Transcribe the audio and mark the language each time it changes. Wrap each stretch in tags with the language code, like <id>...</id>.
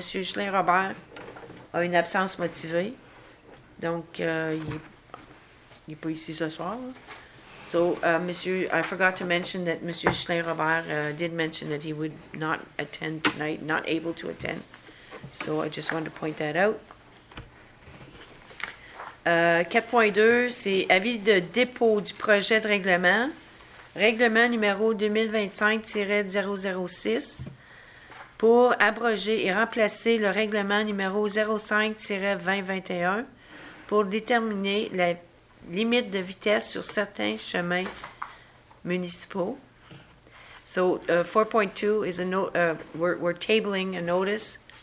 <fr>Ghislain Robert a une absence motivée. Donc, il n'est pas ici ce soir. Là.</fr> <en>So, Monsieur, I forgot to mention that M. Ghislain Robert did mention that he would not attend tonight, not able to attend. So, I just wanted to point that out.</en> <fr>4.2, c'est avis de dépôt du projet de règlement. Règlement numéro 2025-006 pour abroger et remplacer le règlement numéro 05-2021 pour déterminer la limite de vitesse sur certains chemins municipaux.</fr> <en>So, 4.2 is a note, we're tabling a notice.</en>